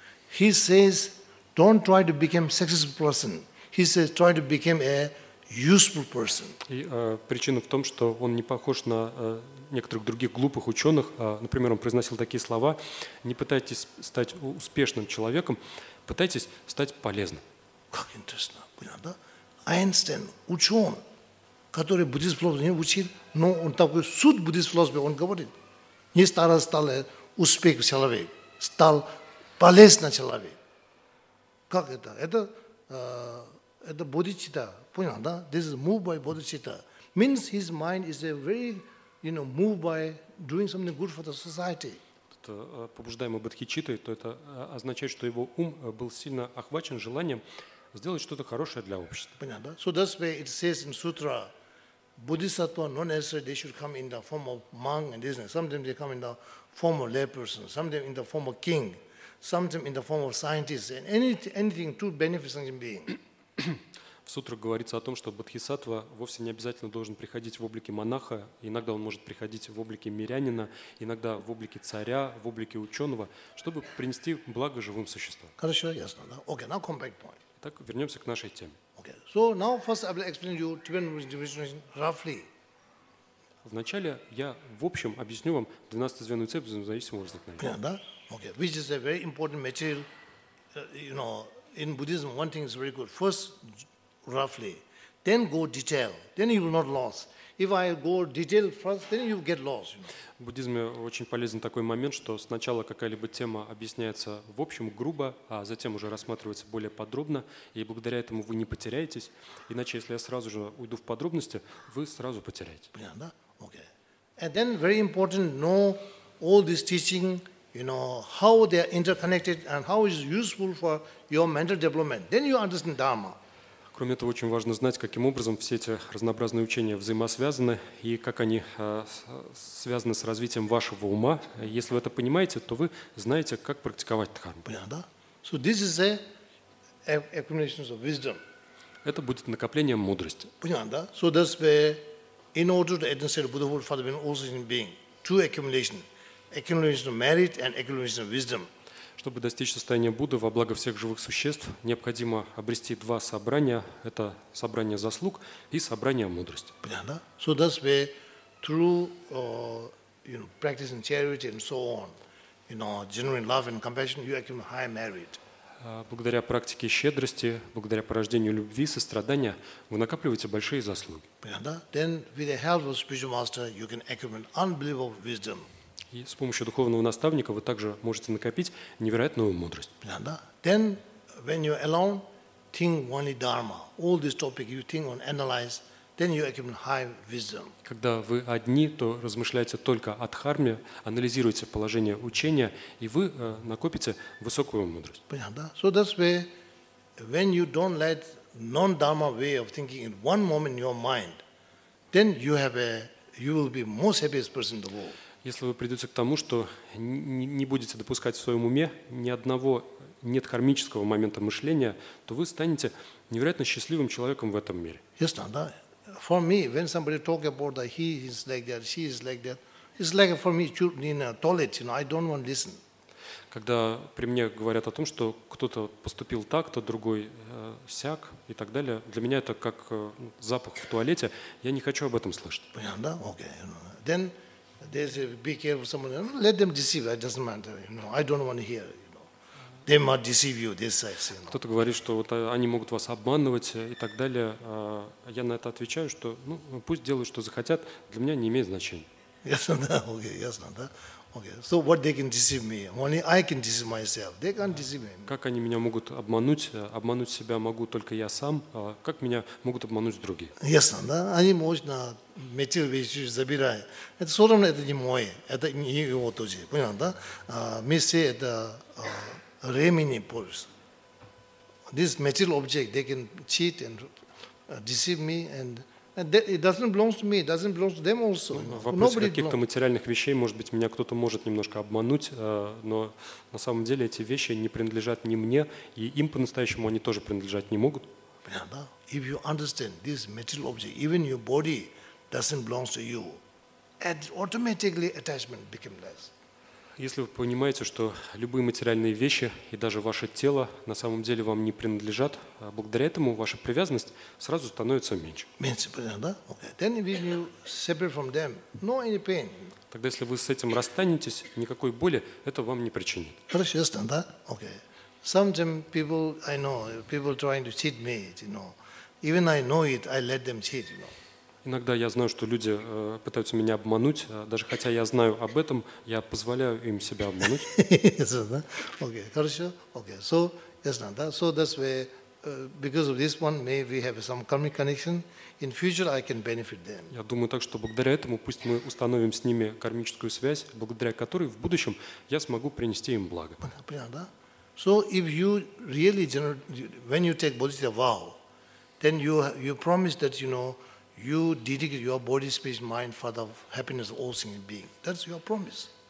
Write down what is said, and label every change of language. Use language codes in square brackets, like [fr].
[en] He says don't try to become successful person. He says try to become a useful person. [ru] И причина в том, что он не похож на некоторых других глупых ученых. Например, он произносил такие слова: не пытайтесь стать успешным человеком, пытайтесь стать полезным. Как интересно. Понятно, да? Эйнштейн, ученый, который буддийскую философию не учил, но он такой суть буддийской философии, он говорит: не старался стать успешным человеком, стал полезным человеком. Как это? Это бодхичитта. Понятно, да? [en] This is moved by bodhicitta. Means his mind is a very, you know, moved by doing something good for the society. [ru] Это побуждаемый бодхичиттой, то это означает, что его ум был сильно охвачен желанием сделать что-то хорошее для общества. Понятно, да? [en] So that's why it says in sutra, bodhisattva, not necessarily they should come in the form of monk and this. Sometimes they come in the form of layperson, sometimes in the form of king, sometimes in the form of scientist, and anything to benefit some being. [ru] В сутрах говорится о том, что бодхисаттва вовсе не обязательно должен приходить в облике монаха, иногда он может приходить в облике мирянина, иногда в облике царя, в облике ученого, чтобы принести благо живым существам. Хорошо, ясно. Да? [en] Okay, now come back point. [ru] Итак, вернемся к нашей теме. [en] Okay. So now first I will explain you Tibetan Buddhism roughly. [ru] Вначале я в общем объясню вам 12-звенную цепь взаимозависимого возникновения. [en] Yeah, [ru] да? [en] Okay. Which is a very important material, you know, in Buddhism. One thing is very good. First, roughly, then go detail. Then you will not lost. If I go detail first, then you get lost. You know. [ru] В буддизме очень полезен такой момент, что сначала какая-либо тема объясняется в общем грубо, а затем уже рассматривается более подробно, и благодаря этому вы не потеряетесь. Иначе, если я сразу же уйду в подробности, вы сразу потеряете. Понятно, да? [en] Okay. And then very important, know all this teaching, you know, how they are interconnected and how it is useful for your mental development. Then you understand Dharma. [ru] Кроме этого, очень важно знать, каким образом все эти разнообразные учения взаимосвязаны и как они связаны с развитием вашего ума. Если вы это понимаете, то вы знаете, как практиковать дхарму. Понятно, да? [en] So this is a accumulation of wisdom. [ru] Это будет накоплением мудрости. Понятно, да? [en] So that's where, in order to attain Buddhahood, Father being also in being, two accumulation, accumulation of merit and accumulation of wisdom. [ru] Чтобы достичь состояния Будды во благо всех живых существ, необходимо обрести два собрания. Это собрание заслуг и собрание мудрости. Понятно, да? [en] So that's where through, you know, practicing charity and so on, you know, genuine love and compassion, you accumulate high merit. [ru] Благодаря практике щедрости, благодаря порождению любви, сострадания, вы накапливаете большие заслуги. Понятно, да? [en] Then with the help of spiritual master, you can accumulate unbelievable wisdom. [ru] И с помощью духовного наставника вы также можете накопить невероятную мудрость. [en] Then, when you alone think only dharma, all these topics you think on analyze, then you accumulate high wisdom. [ru] Когда вы одни, то размышляете только о дхарме, анализируете положение учения, и вы накопите высокую мудрость. [en] So that's where, when you don't let non-dharma way of thinking in one moment in your mind, then you have a, you will be most happiest person in the world. [ru] Если вы придете к тому, что не будете допускать в своем уме ни одного недхармического момента мышления, то вы станете невероятно счастливым человеком в этом мире. [en] Yes, no, [ru] да. [en] For me, when somebody talk about that he is like that, she is like that, it's like for me in a toilet, you know, I don't want to listen. [ru] Когда при мне говорят о том, что кто-то поступил так, то другой сяк и так далее, для меня это как запах в туалете, я не хочу об этом слышать. Понятно, да? [en] Okay. Then they say, be careful, someone else. Let them deceive. It doesn't matter. You know, I don't want to hear. You know, they might deceive you. This I say. [ru] Кто-то говорит, что вот они могут вас обманывать и так далее. Я на это отвечаю, что ну пусть делают, что захотят. Для меня не имеет значения. Да, окей, ясно, да. [en] Okay. So what they can deceive me? Only I can deceive myself. They can't deceive me. [ru] Как они меня могут обмануть? Обмануть себя могу только я сам. Как меня могут обмануть другие? Ясно, да? Они могут на метил вещи забирать. Это все равно это не мой. Это не его тоже. Понятно, да? Мы все это времени пользуются. [en] This metal object, they can cheat and deceive me and it doesn't belong to me, it doesn't belong to them also. [ru] В вопросе каких-то материальных вещей, может быть, меня кто-то может немножко обмануть, но на самом деле эти вещи не принадлежат ни мне, и им по-настоящему они тоже принадлежать не могут. [en] If you understand this material object, even your body doesn't belong to you, and automatically attachment becomes less. [ru] Если вы понимаете, что любые материальные вещи и даже ваше тело на самом деле вам не принадлежат, благодаря этому ваша привязанность сразу становится меньше. Меньше, понятно, да? [en] Okay. Then if you separate from them, no any pain. [ru] Тогда, если вы с этим расстанетесь, никакой боли это вам не причинит. Хорошо, ясно, да? [en] Okay. Sometimes people, I know, people trying to cheat me, you know. Even I know it, I let them cheat, you know. [ru] Иногда я знаю, что люди пытаются меня обмануть, даже хотя я знаю об этом, я позволяю им себя обмануть. [en] Okay, [ru] хорошо. [en] Okay, so [ru] ясно, да? [en] So that's where, because of this one, maybe we have some karmic connection. In future, I can benefit them. [ru] Я думаю так, что благодаря этому, пусть мы установим с ними кармическую связь, благодаря которой в будущем я смогу принести им благо. Понятно, да? [en] So if you really when you take bodhisattva vow, then you promise that you know. You dedicate your body, speech, mind for the happiness of all sentient beings. That's your promise.